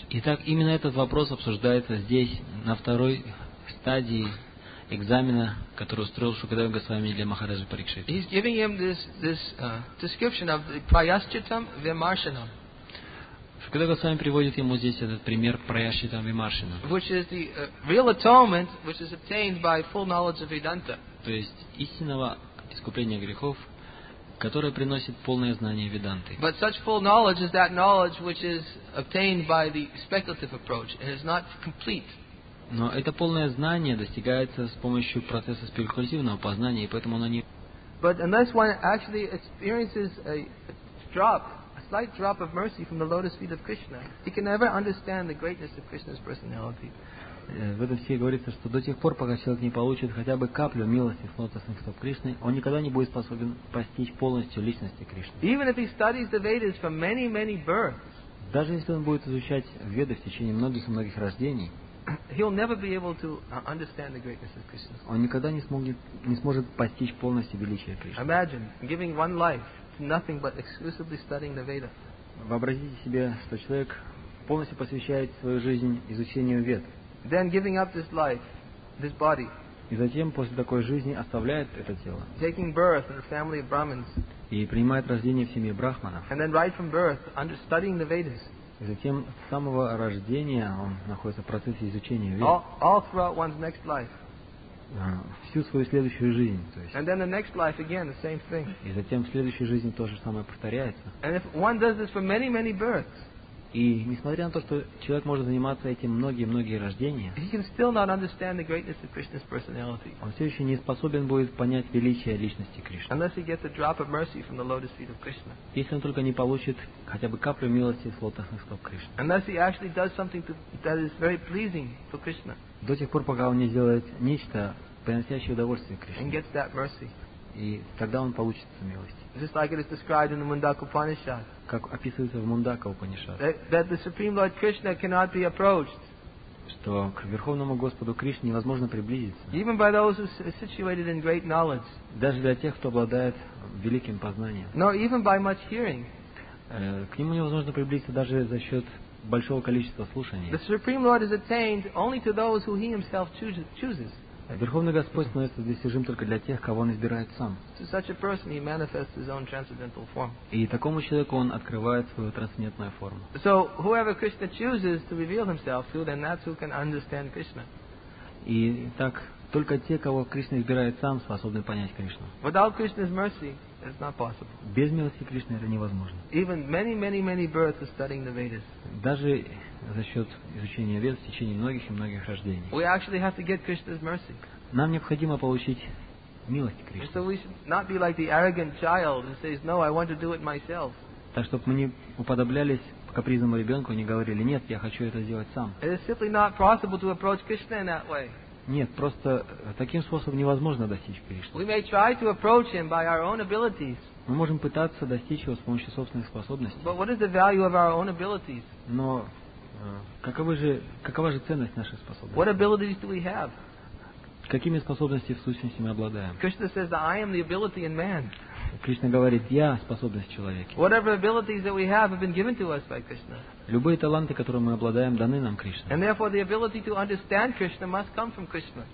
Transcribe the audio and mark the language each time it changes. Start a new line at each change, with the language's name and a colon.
Russian: Итак, именно этот вопрос обсуждается здесь на второй стадии экзамена, который устроил Шукадева Госвами для Махараджи Парикшиты.
English: He's giving him this description of the prayaschitam vimarshanam.
Russian: Шукадева Госвами приводит ему здесь этот пример prayaschitam vimarshanam,
English: which is the real atonement which is obtained by full knowledge of Vedanta.
Russian: То есть истинного искупления грехов, которое приносит полное знание Веданты.
English: But such full knowledge is that knowledge which is obtained by the speculative approach and is not complete.
Russian: Но это полное знание достигается с помощью процесса спекулятивного познания, и поэтому оно не...
English: But unless one actually experiences a slight drop of mercy from the lotus feet of Krishna, he can never understand the greatness of Krishna's personality.
Russian: В этом стихе говорится, что до тех пор, пока человек не получит хотя бы каплю милости с лотосных стоп Кришны, он никогда не будет способен постичь полностью личности Кришны.
English: Even if he studies the Vedas from many, many births,
Russian: даже если он будет изучать Веды в течение многих и многих рождений,
English: he'll never be able to understand the greatness of Krishna.
Russian: Он никогда не сможет постичь полностью величие Кришны.
English: Imagine giving one life to nothing but exclusively studying the Veda.
Russian: Вообразите себе, что человек полностью посвящает свою жизнь изучению Вед.
English: Then giving up this life, this body.
Russian: И затем после такой жизни оставляет это тело.
English: Taking birth in a family of Brahmins.
Russian: И принимает рождение в семье брахманов.
English: And then right from birth, under studying the Vedas.
Russian: И затем с самого рождения он находится в процессе изучения Веды.
English: All throughout one's next life.
Russian: Всю свою следующую жизнь, то есть.
English: And then the next life again, the same thing.
Russian: И затем в следующей жизни то же самое повторяется.
English: And if one does this for many, many births,
Russian: и несмотря на то, что человек может заниматься этим многие-многие рождения,
English: he can still not understand the greatness of Krishna's personality.
Russian: Он все еще не способен будет понять величие личности Кришны.
English: Unless he gets a drop of mercy from the lotus feet of Krishna.
Russian: Если он только не получит хотя бы каплю милости с лотосных стоп Кришны.
English: Unless he actually does something that is very pleasing to Krishna.
Russian: До тех пор, пока он не сделает нечто, приносящее удовольствие Кришне.
English: And gets that mercy.
Russian: И тогда он получит эту милость.
English: Just like it is described in the Mundaka Upanishad.
Russian: Как описывается в Мундака Упанишад.
English: That the Supreme Lord Krishna cannot be approached.
Russian: Что к Верховному Господу Кришне невозможно приблизиться.
English: Even by those who are situated in great knowledge.
Russian: Даже для тех, кто обладает великим познанием.
English: Nor even by much hearing.
Russian: К нему невозможно приблизиться даже за счет большого количества слушаний.
English: The Supreme Lord is attained only to those who he himself chooses.
Russian: Верховный Господь становится достижим только для тех, кого Он избирает Сам.
English: To such a person, he manifests his own transcendental form.
Russian: И такому человеку Он открывает свою трансцендентную форму.
English: So, whoever Krishna chooses to reveal himself to, then that's who can understand Krishna.
Russian: И так, только те, кого Кришна избирает Сам, способны понять Кришну.
English: Without Krishna's mercy, it's not possible.
Russian: Без милости Кришны это невозможно.
English: Even many, many, many births are studying the Vedas.
Russian: Даже за счет изучения Вед в течение многих и многих рождений.
English: We actually have to get Krishna's mercy.
Russian: Нам необходимо получить милость Кришны.
English: So we should not be like the arrogant child who says, "No, I want to do it myself."
Russian: Так чтобы мы не уподоблялись капризному ребенку и не говорили, "Нет, я хочу это сделать сам."
English: It is simply not possible to approach Krishna in that way.
Russian: Нет, просто таким способом невозможно достичь Кришны.
English: We may try to approach him by our own abilities.
Russian: Мы можем пытаться достичь его с помощью собственных способностей.
English: But what is the value of our own abilities?
Russian: Но какова же ценность наших способностей?
English: What abilities do we have?
Russian: Какими способностями в сущности мы обладаем?
English: Krishna says, "I am the ability in man."
Russian: Кришна говорит, я способность человека.
English: Whatever abilities that we have been given to us by Krishna.
Russian: Любые таланты, которые мы обладаем, даны нам Кришной.
English: And therefore, the ability to understand Krishna must come from Krishna.